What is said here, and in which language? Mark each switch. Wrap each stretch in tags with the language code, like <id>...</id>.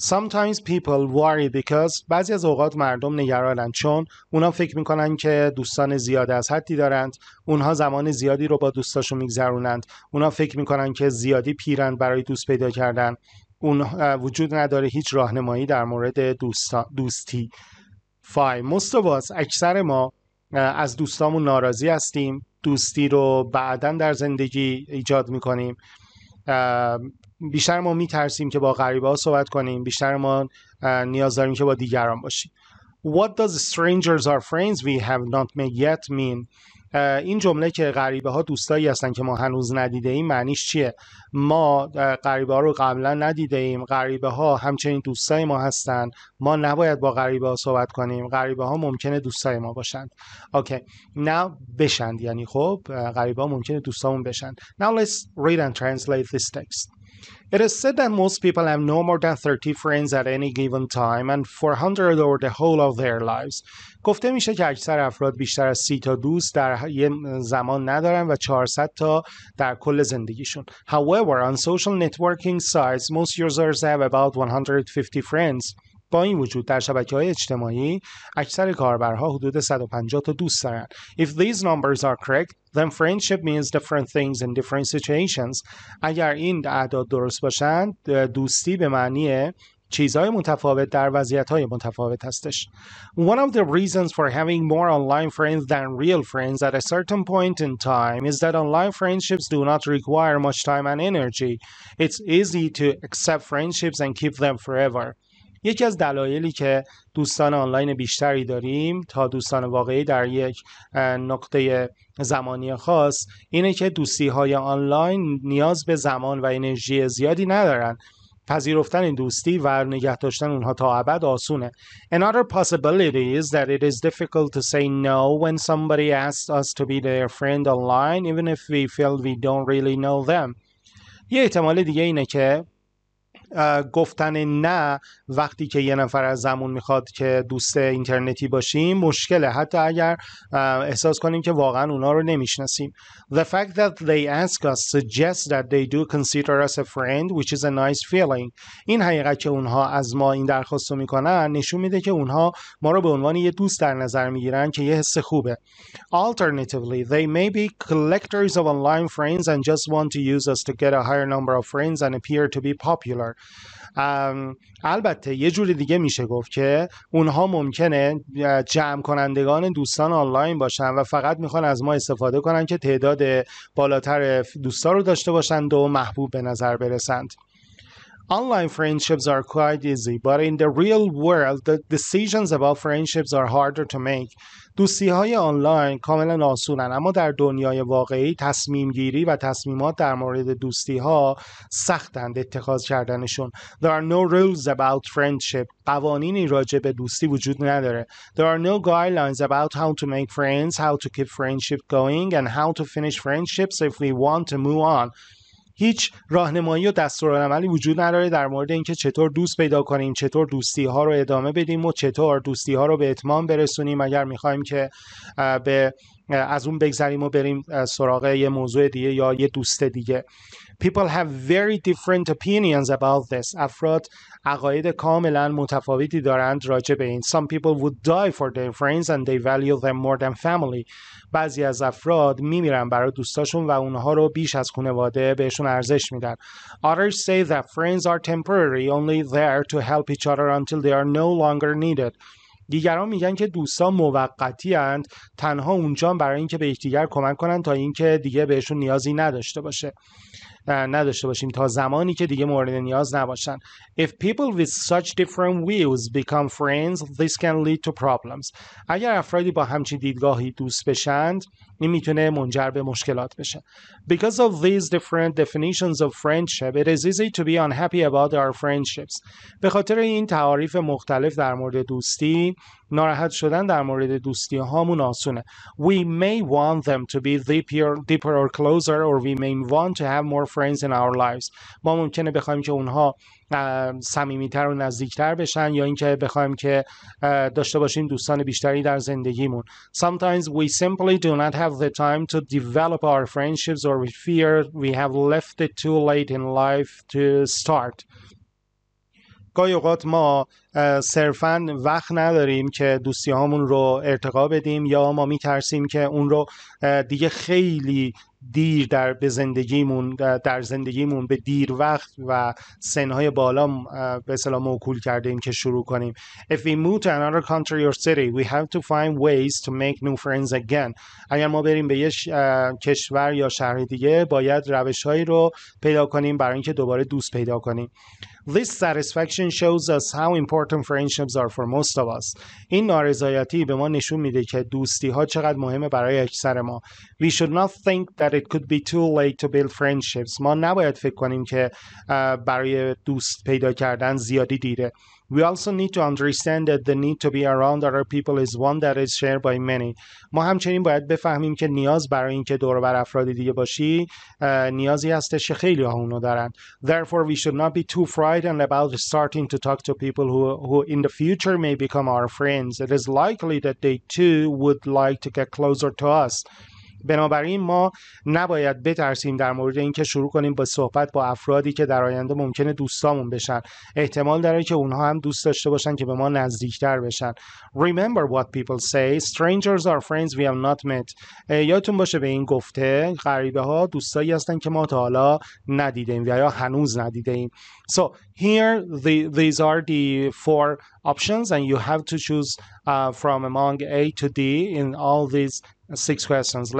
<en>Sometimes people worry because</en> <fa>بعضی از اوقات مردم نگرانن چون اونا فکر میکنن که دوستان زیاد از حدی دارند، اونها زمان زیادی رو با دوستاشون میگذرونند، اونا فکر میکنن که زیادی پیرند برای دوست پیدا کردن، اون وجود نداره هیچ راهنمایی در مورد دوستی.</fa> <en>5. Most of us</en> <fa>اکثر ما از دوستامون ناراضی هستیم، دوستی رو بعداً در زندگی ایجاد میکنیم. بیشتر ما میترسیم که با غریبه ها صحبت کنیم، بیشتر ما نیاز داریم که با دیگران باشیم.</fa> <en>What does strangers are friends we have not met yet mean?</en> <fa>این جمله که غریبه ها دوستایی هستن که ما هنوز ندیده ایم معنیش چیه؟ ما غریبه ها رو قبلا ندیده ایم، غریبه ها همچنین دوستای ما هستن، ما نباید با غریبه ها صحبت کنیم، غریبه ها ممکنه دوستای ما باشند. اوکی، نه بشند، یعنی خب غریبه ها ممکنه دوستامون بشند.</fa> <en>Now let's read and translate this text. It is said that most people have no more than 30 friends at any given time and 400 over the whole of their lives.</en> <fa>گفته میشه که اکثر افراد بیشتر از 30 تا دوست در یه زمان ندارن و 400 تا در کل زندگیشون.</fa> <en>However, on social networking sites, most users have about 150 friends.</en> <fa>با این وجود در شبکه‌های اجتماعی اکثر کاربرها حدود 150 تا دوست دارن.</fa> <en>If these numbers are correct, then friendship means different things in different situations.</en> <fa>اگر این اعداد درست باشن، دوستی به معنی چیزهای متفاوت در وضعیت‌های متفاوت هستش.</fa> <en>One of the reasons for having more online friends than real friends at a certain point in time is that online friendships do not require much time and energy. It's easy to accept friendships and keep them forever.</en> <fa>یکی از دلایلی که دوستان آنلاین بیشتری داریم تا دوستان واقعی در یک نقطه زمانی خاص اینه که دوستی‌های آنلاین نیاز به زمان و انرژی زیادی ندارن. پذیرفتن دوستی و نگه داشتن اونها تا ابد آسونه.</fa> <en>Another possibility is that it is difficult to say no when somebody asks us to be their friend online even if we feel we don't really know them.</en> <fa>یه احتمال دیگه اینه که گفتن نه وقتی که یه نفر از زمون میخواد که دوست اینترنتی باشیم مشکله، حتی اگر احساس کنیم که واقعا اونا رو نمیشناسیم.</fa> <en>The fact that they ask us suggests that they do consider us a friend, which is a nice feeling.</en> <fa>این حقیقت که اونها از ما این درخواست رو میکنن نشون میده که اونها ما رو به عنوان یه دوست در نظر میگیرن که یه حس خوبه.</fa> <en>Alternatively, they may be collectors of online friends and just want to use us to get a higher number of friends and appear to be popular.</en> <fa>البته یه جور دیگه میشه گفت که اونها ممکنه جمع کنندگان دوستان آنلاین باشن و فقط میخوان از ما استفاده کنن که تعداد بالاتر دوستا رو داشته باشند و محبوب به نظر برسند.</fa> <en>Online friendships are quite easy, but in the real world, the decisions about friendships are harder to make.</en> <fa>دوستی‌های آنلاین کاملا آسونن، اما در دنیای واقعی تصمیم گیری و تصمیمات در مورد دوستی‌ها سختند اتخاذ کردنشون.</fa> <en>There are no rules about friendship.</en> <fa>قوانینی راجع به دوستی وجود نداره.</fa> <en>There are no guidelines about how to make friends, how to keep friendship going, and how to finish friendships if we want to move on.</en> <fa>هیچ راهنمایی و دستورالعملی وجود نداره در مورد اینکه چطور دوست پیدا کنیم، چطور دوستی ها رو ادامه بدیم و چطور دوستی ها رو به اتمام برسونیم اگر میخوایم که به از اون بگذریم و بریم سراغ یه موضوع دیگه یا یه دوست دیگه.</fa> <en>People have very different opinions about this.</en> <fa>افراد عقاید کاملا متفاوتی دارند راجع به این.</fa> <en>Some people would die for their friends and they value them more than family.</en> <fa>بعضی از افراد میمیرن برای دوستاشون و اونها رو بیش از خانواده بهشون ارزش میدن.</fa> <en>Others say that friends are temporary, only there to help each other until they are no longer needed.</en> <fa>دیگران میگن که دوستان موقتی هستند، تنها اونجا برای اینکه به یکدیگر کمک کنند تا اینکه دیگه بهشون نیازی نداشته باشه نداشته باشیم تا زمانی که دیگه مورد نیاز نباشن.</fa> <en>If people with such different views become friends, this can lead to problems.</en> <fa>اگر افرادی با همچین دیدگاهی دوست بشند، این میتونه منجر به مشکلات بشه.</fa> <en>Because of these different definitions of friendship, it is easy to be unhappy about our friendships.</en> <fa>به خاطر این تعاریف مختلف در مورد دوستی، ناراحت شدن در مورد دوستی هامون آسونه.</fa> <en>We may want them to be deeper or closer, or we may want to have more friends in our lives.</en> <fa>ما ممکنه بخوایم که اونها صمیمیتر و نزدیکتر بشن یا اینکه بخوایم که داشته باشیم دوستان بیشتری در زندگیمون.</fa> <en>Sometimes we simply do not have the time to develop our friendships, or we fear we have left it too late in life to start.</en> <fa>گاهی اوقات ما صرفا وقت نداریم که دوستی هامون رو ارتقا بدیم یا ما میترسیم که اون رو دیگه خیلی دیر در به زندگیمون در زندگیمون به دیر وقت و سنهای بالا به اصطلاح موکول کردیم که شروع کنیم.</fa> <en>If we move to another country or city, we have to find ways to make new friends again.</en> <fa>اگر ما بریم به یه کشور یا شهر دیگه، باید روشهایی رو پیدا کنیم برای اینکه دوباره دوست پیدا کنیم.</fa> <en>This satisfaction shows us how important friendships are for most of us.</en> <fa>این نارضایتی به ما نشون میده که دوستی ها چقدر مهمه برای اکثر ما.</fa> <en>We should not think that it could be too late to build friendships.</en> <fa>ما نباید فکر کنیم که برای دوست پیدا کردن زیادی دیره.</fa> <en>We also need to understand that the need to be around other people is one that is shared by many.</en> <fa>ما همچنین باید بفهمیم که نیاز برای اینکه دور بر افراد دیگه باشی نیازی هستش که خیلی ها اونو دارن.</fa> <en>Therefore we should not be too frightened about starting to talk to people who in the future may become our friends. It is likely that they too would like to get closer to us.</en> <fa>بنابراین ما نباید بترسیم در مورد اینکه شروع کنیم به صحبت با افرادی که در آینده ممکنه دوستامون بشن. احتمال داره که اونها هم دوست داشته باشن که به ما نزدیکتر بشن.</fa> <en>Remember what people say, strangers are friends we have not met.</en> <fa>یادتون باشه به این گفته، غریبه ها دوستایی هستن که ما تا حالا ندیدیم یا هنوز ندیدیم.</fa> <en>So here these are the four options and you have to choose from among A to D in all these six questions.</en>